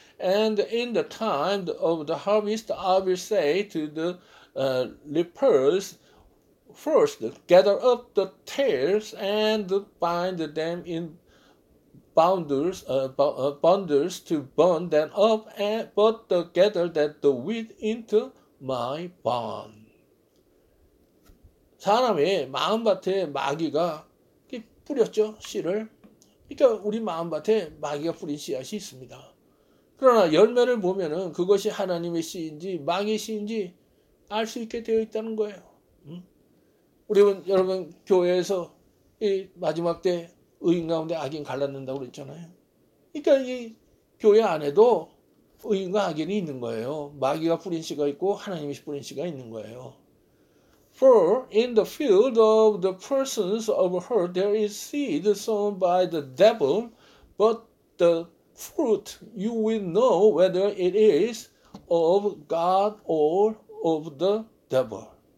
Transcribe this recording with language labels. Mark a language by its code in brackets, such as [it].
[en] And in the time of the harvest, I will say to the reapers, 'First, gather up the tares and bind them in bundles to burn them up, but gather that the wheat into my barn.'" [ko] 사람의 마음밭에 마귀가 뿌렸죠, 씨를. 그러니까 우리 마음밭에 마귀가 뿌린 씨앗이 있습니다. 그러나 열매를 보면은 그것이 하나님의 씨인지 마귀의 씨인지 알수 있게 되어 있다는 거예요. 우리는 여러분 교회에서 이 마지막 때 의인 가운데 악인 갈라낸다고 그랬잖아요. 그러니까 이 교회 안에도 의인과 악인이 있는 거예요. 마귀가 뿌린 씨가 있고 하나님이 뿌린 씨가 있는 거예요. [en] For in the field of the persons of her there is seed sown by the devil, but the fruit you will know whether it is of God or of the devil.